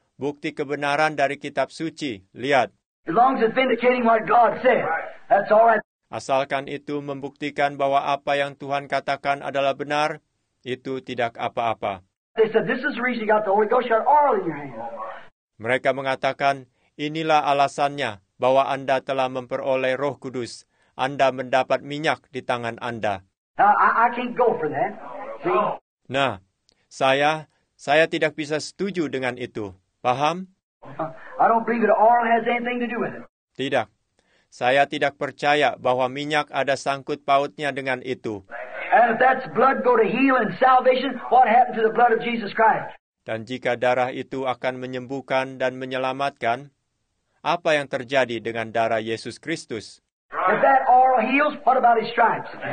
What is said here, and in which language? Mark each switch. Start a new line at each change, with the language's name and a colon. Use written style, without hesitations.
Indonesian: Bukti kebenaran dari kitab suci. Lihat.
English: As long as it's vindicating what God said, that's all right.
Indonesian: Asalkan itu membuktikan bahwa apa yang Tuhan katakan adalah benar, itu tidak apa-apa.
English: They said, this is the reason you got the Holy Ghost, you got oil in your hand.
Indonesian: Mereka mengatakan, inilah alasannya bahwa Anda telah memperoleh Roh Kudus. Anda mendapat minyak di tangan Anda.
English: I can't go for that. See?
Indonesian: Nah, Saya tidak bisa setuju dengan itu. Paham?
English: I don't believe that oil has anything to do with it.
Indonesian: Tidak. Saya tidak percaya bahwa minyak ada sangkut pautnya dengan itu.
English: And if that's blood go to heal and salvation, what happened to the blood of Jesus Christ?
Indonesian: Dan jika darah itu akan menyembuhkan dan menyelamatkan, apa yang terjadi dengan darah Yesus Kristus?
English: If that oil heals, what about his stripes?